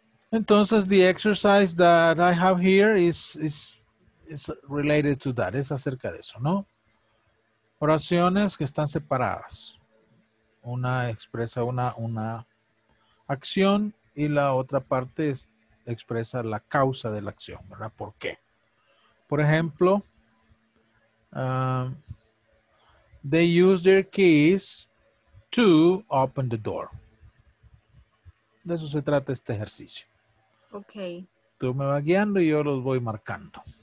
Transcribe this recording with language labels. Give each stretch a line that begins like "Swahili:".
English: Entonces, the exercise that I have here is related to that.
Spanish: Es acerca de eso, ¿no? Oraciones que están separadas. Una expresa una acción y la otra parte expresa la causa de la acción, ¿verdad? ¿Por qué? Por ejemplo,
English: they use their keys to open the door.
Spanish: De eso se trata este ejercicio.
English: Okay.
Spanish: Tú me vas guiando y yo los voy marcando.